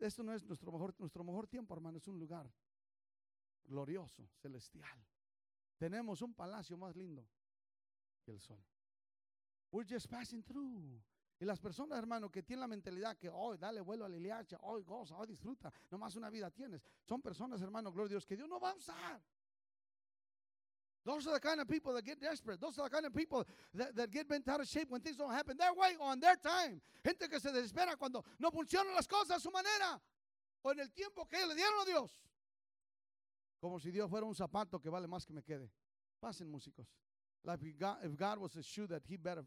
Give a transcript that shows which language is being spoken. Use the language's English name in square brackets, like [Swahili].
[Spanish] Esto no es nuestro mejor tiempo, hermano. Es un lugar glorioso, celestial. Tenemos un palacio más lindo que el sol. [English] We're just passing through. [Spanish] Y las personas, hermano, que tienen la mentalidad que hoy dale vuelo a la hilacha, hoy goza, hoy disfruta, nomás una vida tienes. Son personas, hermano, gloria a Dios, que Dios no va a usar. [English] Those are the kind of people that get desperate. Those are the kind of people that get bent out of shape when things don't happen their way or on their time. [Spanish] Gente que se desespera cuando no funcionan las cosas a su manera o en el tiempo que le dieron a Dios. Como si Dios fuera un zapato que vale más que me quede. Pasen, músicos. [English] Like if God was a shoe that he better.